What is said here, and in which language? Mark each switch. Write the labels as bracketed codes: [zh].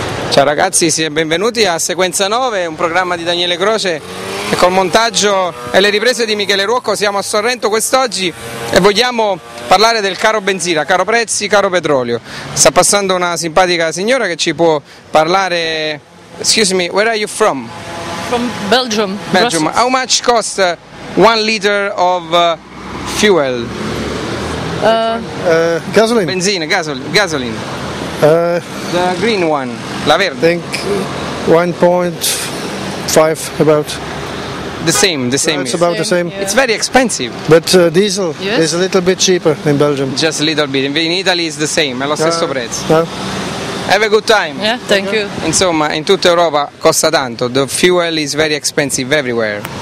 [it] Ciao ragazzi, benvenuti a Sequenza 9, un programma di Daniele Croce e col montaggio e le riprese di Michele Ruocco. Siamo a Sorrento quest'oggi e vogliamo parlare del caro benzina, caro prezzi, caro petrolio. Sta passando una simpatica signora che ci può parlare. [en] Excuse me, where are you from? From Belgium. Belgium. Brussels. How much cost 1 liter of fuel? Gasoline. Benzina, gasoline. The green one, [it] la verde. [en] I think 1.5 about. The same. It's about same, the same. Yeah. It's very expensive. But diesel, yes, is a little bit cheaper in Belgium. Just a little bit. In Italy it's the same, [it] è lo stesso prezzo. [en] Well. Have a good time. Yeah, thank you. [it] Insomma, in tutta Europa costa tanto. [en] The fuel is very expensive everywhere.